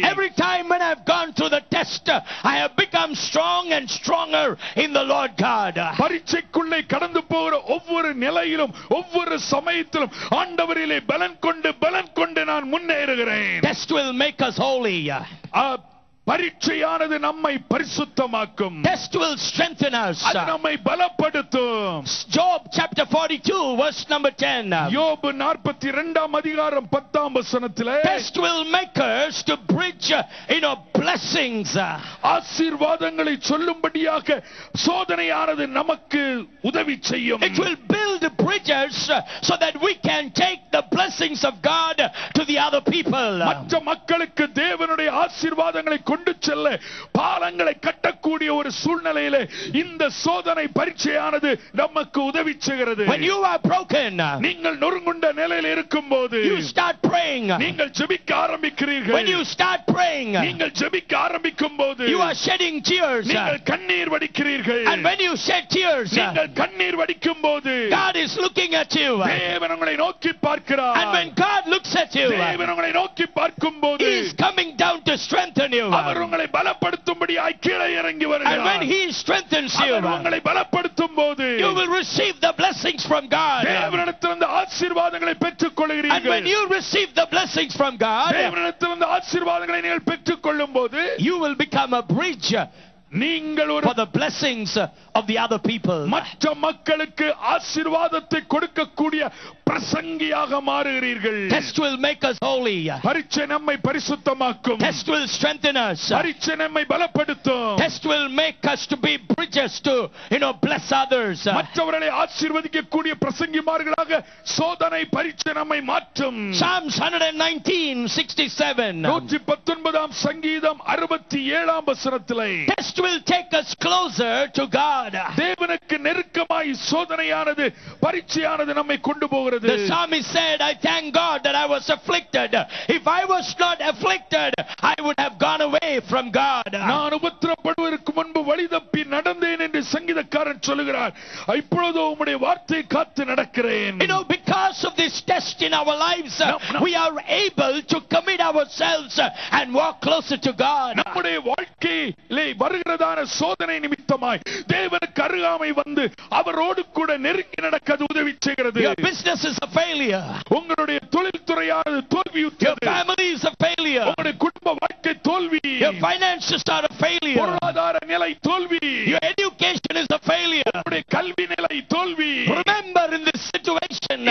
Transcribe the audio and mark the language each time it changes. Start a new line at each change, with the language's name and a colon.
English: Every time when I have gone through the test, I have become strong and stronger in the Lord God.
Tamil: பரீட்சைக்குள்ளே கடந்து போகிற ஒவ்வொரு நிலையிலும் ஒவ்வொரு சமயத்திலும் ஆண்டவரிலே பலன் கொண்டு நான் முன்னேறுகிறேன்.
English: Test will make us holy.
Tamil: பரீட்சையானது நம்மை பரிசுத்தமாக்கும்.
English: Test will strengthen us.
Tamil: அது நம்மை பலப்படுத்தும்.
English: Job chapter 42 verse number 10.
Tamil: யோபு 42 அதிகாரம் 10 வசனத்திலே
English: Test will make us to bridge in our blessings.
Tamil: ஆசீர்வாதங்களை சொல்லும்படியாக சோதனையானது நமக்கு உதவி செய்யும்.
English: It will build bridges so that we can take the blessings of God to the other people.
Tamil: மற்ற மக்களுக்கு தேவனுடைய ஆசீர்வாதங்களை கொண்டு செல்ல பாலங்களை கட்டக்கூடிய ஒரு சூழ்நிலையில இந்த சோதனை பரீட்சையானது நமக்கு உதவி செய்கிறது.
English: When you are broken,
Tamil: நீங்கள் நொறுங்குண்ட நிலையில் இருக்கும்போது
English: you start praying.
Tamil: நீங்கள் ஜெபிக்க ஆரம்பிக்கிறீர்கள்.
English: When you start praying,
Tamil: நீங்கள் ஜெபிக்க ஆரம்பிக்கும்போது
English: you are shedding tears.
Tamil: நீங்கள் கண்ணீர் வடிக்கிறீர்கள்.
English: And when you shed tears,
Tamil: நீங்கள் கண்ணீர் வடிக்கும்போது
English: God is looking at you.
Tamil: தேவன் உங்களை நோக்கி பார்க்கிறார்.
English: And when God looks at you,
Tamil: தேவன் உங்களை நோக்கி பார்க்கும்போது
English: he is coming down to strengthen you.
Tamil: அவர் உங்களை பலப்படுத்தும்படி கீழே இறங்கி வருகிறார்.
English: And when he strengthens you,
Tamil: அவர் உங்களை பலப்படுத்தும் போது
English: you will receive the blessings from God.
Tamil: தேவனிடத்திலிருந்து ஆசீர்வாதங்களை பெற்றுக் கொள்கிறீர்கள்.
English: And when you receive the blessings from God,
Tamil: தேவனிடத்திலிருந்து ஆசீர்வாதங்களை நீங்கள் பெற்றுக் கொள்ளும் போது
English: you will become a bridge for the blessings of the other people.
Tamil: மற்ற மக்களுக்கு ஆசீர்வாதத்தை கொடுக்கக்கூடிய பிரசங்கியாக மாறுகிறீர்கள்.
English: Test will make us holy.
Tamil: பரீட்சை நம்மை பரிசுத்தமாக்கும்.
English: Test will strengthen us.
Tamil: பரீட்சை நம்மை பலப்படுத்தும்.
English: Test will make us to be bridges to, you know, bless others.
Tamil: மற்றவர்களை ஆசீர்வதிக்கக்கூடிய பிரசங்கிமார்களாக சோதனை பரீட்சை நம்மை மாற்றும்.
English: Psalms 119:67. 119
Tamil: சங்கீதம் 67 வசனத்திலே
English: Test will take us closer to God.
Tamil: தேவனுக்கு நெருக்கமாய் சோதனையானது பரீட்சையானது நம்மை கொண்டு போகிறது.
English: The psalmist said, I thank God that I was afflicted. If I was not afflicted, I would have gone away from God.
Tamil: நான் உபத்திரப்படுவதற்கு முன்பு வழிதப்பி நடந்தேன் என்று சங்கீதக்காரன் சொல்கிறார். இப்பொழுது உம்முடைய வார்த்தை காத்து நடக்கிறேன்.
English: You know, because of this test in our lives, we are able to commit ourselves and walk closer to God.
Tamil: நம்முடைய வாழ்க்கையிலே வருகிறதான சோதனை நிமித்தமாய் தேவனுக்கு அருகாமை வந்து அவரோடு கூட நெருங்கி நடக்க உதவி செய்கிறது.
English: Business is a failure.
Tamil: உங்களுடைய தொழில் துறையானது தோல்வியுற்றது.
English: Your family is a failure.
Tamil: உங்களுடைய குடும்ப வாழ்க்கை தோல்வி.
English: Your finances are a failure.
Tamil: பொருளாதார நிலை தோல்வி.
English: Your education is a failure.
Tamil: உங்களுடைய கல்வி நிலை தோல்வி.
English: Remember in this situation,